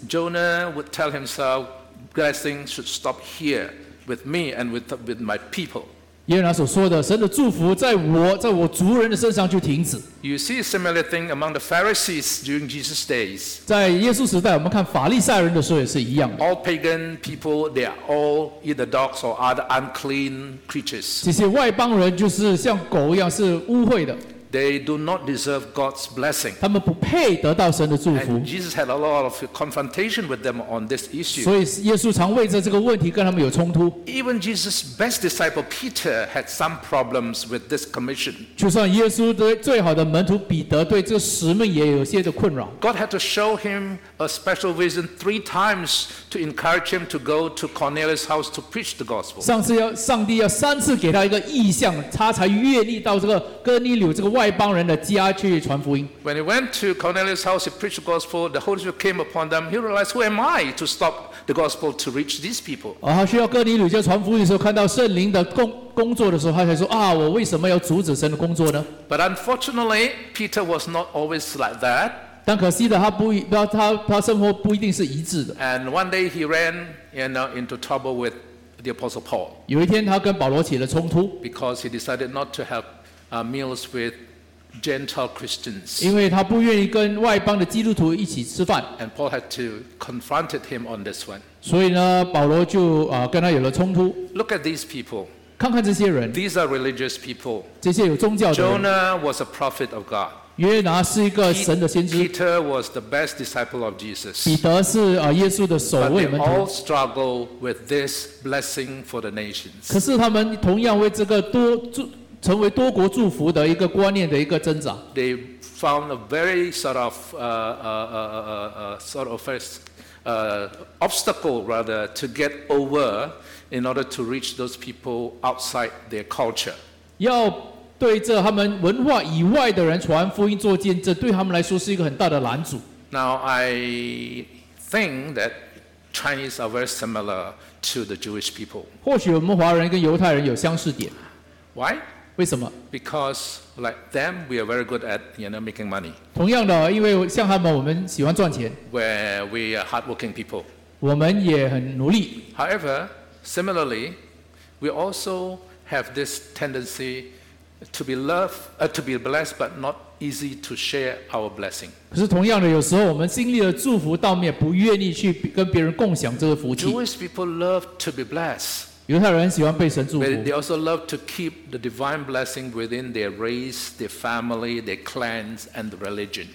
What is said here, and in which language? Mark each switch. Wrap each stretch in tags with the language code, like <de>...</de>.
<en>Jonah would tell himself, blessing should stop here with me and with my people.</en> <zh>耶拿所说的，神的祝福在我族人的身上就停止。</zh> <en>You see a similar thing among the Pharisees during Jesus' days.</en> <zh>在耶稣时代，我们看法利赛人的时候也是一样的。</zh> <en>All pagan people, they are all either dogs or other unclean creatures.</en> <zh>这些外邦人就是像狗一样，是污秽的。</zh> <en>They do not deserve God's blessing.</en> <zh>他们不配得到神的祝福。</zh> <en>And Jesus had a lot of confrontation with them on this issue.</en> <zh>所以耶稣常为着这个问题跟他们有冲突。</zh> <en>Even Jesus' best disciple Peter had some problems with this commission.</en> <zh>就算耶稣的最好的门徒彼得对这个使命也有些的困扰。</zh> <en>God had to show him a special vision 3 times to encourage him to go to Cornelius' house to preach the gospel.</en> <zh>上帝要三次给他一个异象，他才愿意到这个哥尼流这个。外邦人的家去传福音。</zh> <en>When he went to Cornelius' house, he preached the gospel. The Holy Spirit came upon them. He realized, "Who am I to stop the gospel to reach these people?"</en> <zh>他需要哥尼流家传福音的时候，看到圣灵的工作的时候，他才说啊，我为什么要阻止神的工作呢</zh> <en>？But unfortunately, Peter was not always like that.</en> <zh>但可惜的，他生活不一定是一致的。</zh> <en>And one day he ran, you know, into trouble with the Apostle Paul.</en> <zh>有一天，他跟保罗起了冲突</zh> <en>，because he decided not to have meals with Gentile Christians.</en> <zh>因为他不愿意跟外邦的基督徒一起吃饭。</zh> <en>And Paul had to confront him on this one.</en> <zh>所以呢，保罗就跟他有了冲突。</zh> <en>Look at these people.</en> <zh>看看这些人</zh> <en>These are religious people.</en> <zh>这些有宗教的人</zh> <en>Jonah was a prophet of God.</en> <zh>约拿是一个神的先知</zh> <en>Peter was the best disciple of Jesus.</en> <zh>彼得是耶稣的首位门徒</zh> <en>But they all struggle with this blessing for the nations.</en> <zh>可是他们同样为这个成为多国祝福的一个观念的一个挣扎</zh> <en>They found a very obstacle to get over. In order to reach those people outside their culture,</en> <zh>要对这他们文化以外的人传福音做见证，对他们来说是一个很大的拦阻。</zh> <en>Now I think that Chinese are very similar to the Jewish people.</en> <zh>或许我们华人跟犹太人有相似点。</zh> <en>Why?</en> <zh>为什么</zh> <en>？Because like them, we are very good at you know making money.</en> <zh>同样的，因为像他们，我们喜欢赚钱。</zh> <en>Where we are hardworking people.</en> <zh>我们也很努力。</zh> <en>However. Similarly, we also have this tendency to be loved, to be blessed, but not easy to share our blessing.</en> <zh>可是同样的，有时候我们经历了祝福，但我们也不愿意去跟别人共享这个福气。</zh> <en>Jewish people love to be blessed.</en> <zh>犹太人喜欢被神祝福。</zh> <en>They also love to keep the divine blessing within their race, their family, their clans, and religion.</en>